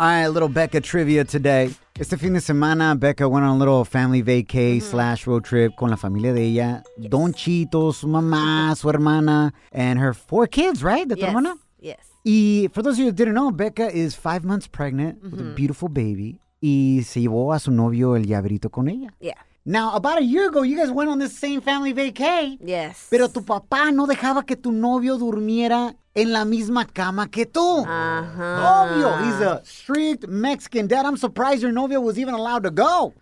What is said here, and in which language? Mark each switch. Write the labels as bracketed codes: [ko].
[en] All right, a little Becca trivia today. [es] Este fin de semana, [en] Becca went on a little family vacay slash road trip [es] con la familia de ella. [en] Yes. [es] Don Chito, su mamá, su hermana, [en] and her four kids, right? [es] De tu hermana? [en] Yes. Y for those of you who didn't know, Becca is 5 months pregnant with a beautiful baby. [es] Y se llevó a su novio el llaverito con ella. [en] Yeah. Now, about a year ago, you guys went on this same family vacay. Yes. [es] Pero tu papá no dejaba que tu novio durmiera en la misma cama que tú. [en] Uh-huh. [es] Obvio, [en] he's a strict Mexican dad. I'm surprised your novio was even allowed to go.